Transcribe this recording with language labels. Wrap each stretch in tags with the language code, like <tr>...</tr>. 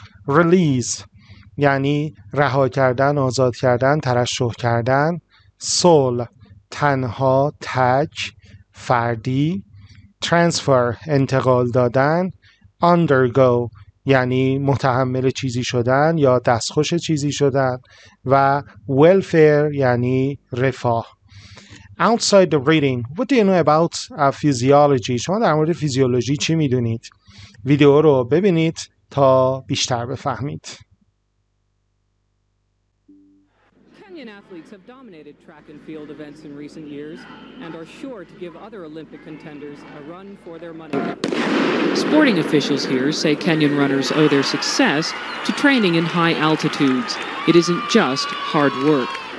<fa>Release یعنی رها کردن، آزاد کردن، ترشح کردن. Soul تنها، تک، فردی. Transfer انتقال دادن. Undergo یعنی متحمل چیزی شدن یا دستخوش چیزی شدن. و Welfare یعنی رفاه.</fa> <en>Outside the reading, what do you know about physiology?</en> <fa>شما در مورد فیزیولوژی چی میدونید؟ ویدیو رو ببینید تا بیشتر بفهمید.</fa> <en>Kenyan athletes have dominated track and field events in recent years and are sure to give other Olympic contenders a run for their money. Sporting officials here say Kenyan runners owe their success to training in high altitudes. It isn't just hard work.</en>